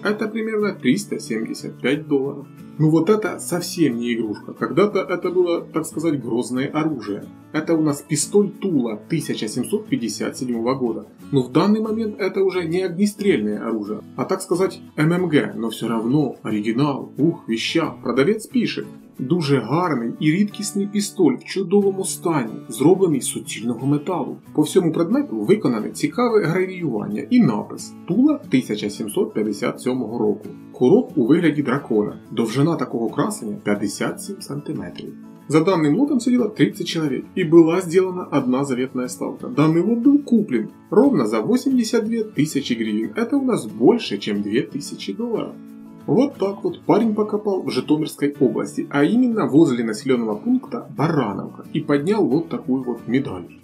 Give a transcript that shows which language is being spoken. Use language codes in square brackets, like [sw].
[ru] Это примерно 375 долларов. Ну вот это совсем не игрушка. Когда-то это было, так сказать, грозное оружие. Это у нас пистоль Тула 1757 года. Но в данный момент это уже не огнестрельное оружие, а так сказать ММГ. Но все равно оригинал, ух, веща. Продавец пишет. [uk] Дуже гарний і рідкісний пістоль в чудовому стані, зроблений з суцільного металу. По всьому предмету виконане цікаве гравіювання і напис «Тула 1757 року». Курок у вигляді дракона. Довжина такого красення 57 сантиметрів. [ru] За данным лотом сидело 30 человек, и была сделана одна заветная ставка. Данный лот был куплен ровно за 82 тысячи гривен. Это у нас больше, чем 2000 долларов. Вот так вот парень покопал в Житомирской области, а именно возле населенного пункта Барановка, и поднял вот такую вот медаль.